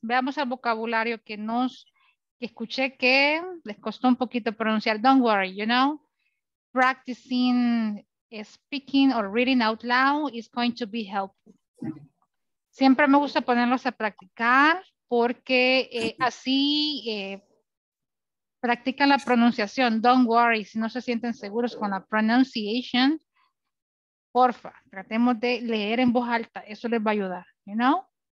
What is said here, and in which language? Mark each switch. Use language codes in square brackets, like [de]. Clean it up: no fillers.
[es] Veamos el vocabulario que escuché que les costó un poquito pronunciar. [en] Don't worry, you know, practicing speaking or reading out loud is going to be helpful. [es] Siempre me gusta ponerlos a practicar porque así practican la pronunciación. [en] Don't worry, [es] si no se sienten seguros con la pronunciation, porfa, tratemos de leer en voz alta. Eso les va a ayudar, [en] you know.